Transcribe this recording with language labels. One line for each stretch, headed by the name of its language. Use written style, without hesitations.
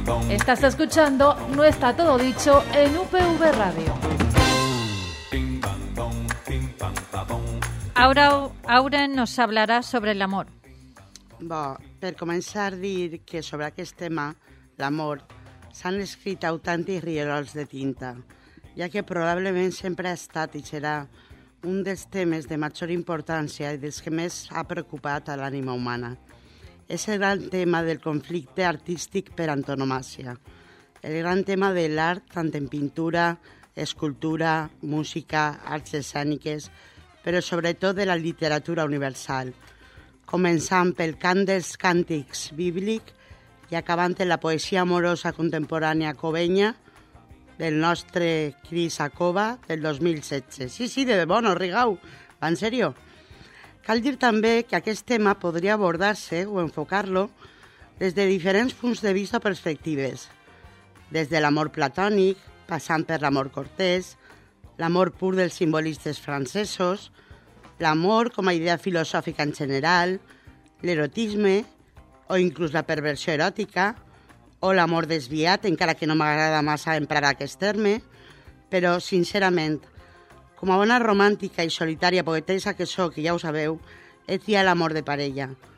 Spanish: Estás escuchando No Está Todo Dicho en UPV Radio. Ahora Auren nos hablará sobre el amor.
Catalan: Bueno, per començar a dir que sobre aquest tema, l'amor, s'han escrit autèntics rierols de tinta, ja que probablement sempre ha estat i serà un dels temes de major importància i dels que més ha preocupat a l'ànima humana. És el gran tema del conflicte artístic per antonomàsia. El gran tema de l'art, tant en pintura, escultura, música, arts escèniques, però sobretot de la literatura universal, començant pel cant dels càntics bíblic i acabant en la poesia amorosa contemporània covenya del nostre Cris Acoba del 2016. Sí, sí, de debò, no rigau, va en serio. Cal dir també que aquest tema podria abordar-se o enfocar-lo des de diferents punts de vista o perspectives, des de l'amor platònic, passant per l'amor cortès, l'amor pur dels simbolistes francesos, l'amor com a idea filosòfica en general, l'erotisme o inclús la perversió eròtica, o l'amor desviat, encara que no m'agrada massa emprar aquest terme, però sincerament, com a bona romàntica i solitària poetessa que sóc, ja ho sabeu, he triat l'amor de parella.